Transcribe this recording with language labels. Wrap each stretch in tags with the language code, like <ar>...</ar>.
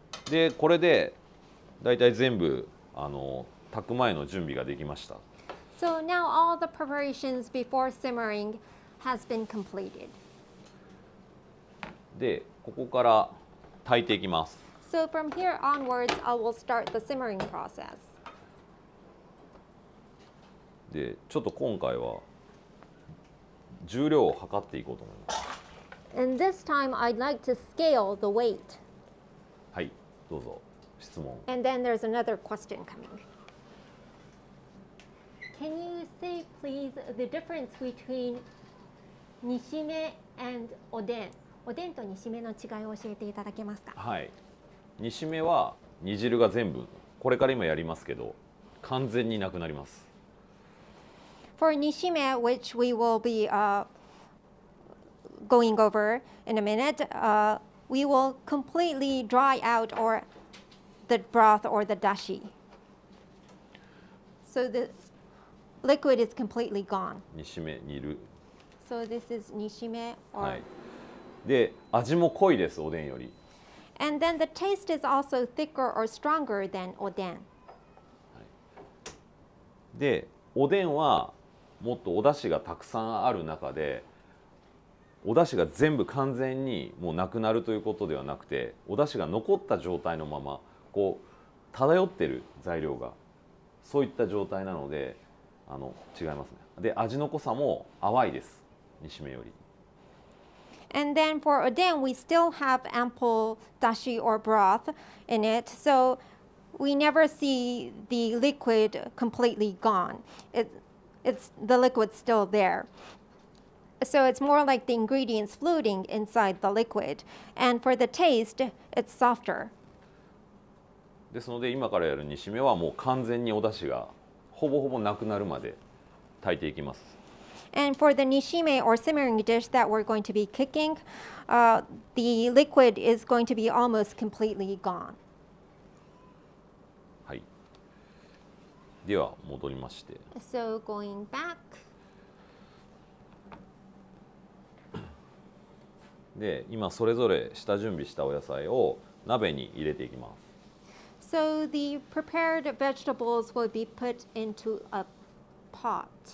<ja>で、これでだいたい全部炊く前の準備ができました。</ja> <en>So now all the preparations before simmering has been completed.</en> <ja>で、ここから炊いていきます。</ja> <en>So from here onwards, I will start the simmering process.</en> <ja>で、ちょっと今回は重量を測っていこうと思います。</ja> <en>And this time, I'd like to scale the weight.</en> <ja>はい。どうぞ質問。</ja> <en>And then there's another question coming. Can you say please the difference between にしめ and おでん？</en> <ja>おでんとにしめの違いを教えていただけますか？はい。にしめは煮汁が全部、これから今やりますけど、完全になくなります。</ja> <en>For にしめ which we will be going over in a minute, we will completely dry out or the broth or the dashi. So the liquid is completely gone.</en> <ja>にしめ、にる。</ja> <en>So this is にしめ or...、</en> <ja>はい、で、味も濃いです、おでんより。</ja> <en>And then the taste is also thicker or stronger than おでん。はい、</en> <ja>で、おでんはもっとおだしがたくさんある中で、お出汁が全部完全にもうなくなるということではなくて、お出汁が残った状態のままこう漂ってる材料がそういった状態なので、あの違いますね。で、味の濃さも淡いです、煮しめより。</ja> <en>And then for oden, we still have ample dashi or broth in it, so we never see the liquid completely gone. It's the liquid still there. So it's more like the ingredients floating inside the liquid. And for the taste, it's softer.</en> <ja>ですので、今からやる煮しめはもう完全にお出汁がほぼほぼなくなるまで炊いていきます。</ja> <en>And for the nishime or simmering dish that we're going to be cooking, the liquid is going to be almost completely gone.</en> <ja>はい。では戻りまして。</ja> <en>So going back.</en> <ja>で、今それぞれ下準備したお野菜を鍋に入れていきます。</ja> <en>So the prepared vegetables will be put into a pot.</en>